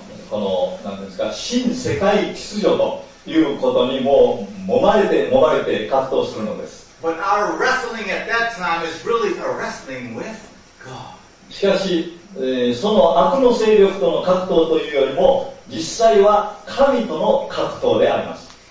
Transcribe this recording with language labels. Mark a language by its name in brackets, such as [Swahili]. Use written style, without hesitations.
[Japanese] この何ですか、新世界秩序ということにもう揉まれて葛藤するのです。 [English] But our wrestling at that time is really a wrestling with God. [Japanese] しかし、その悪の勢力との格闘というよりも、実際は神との格闘であります。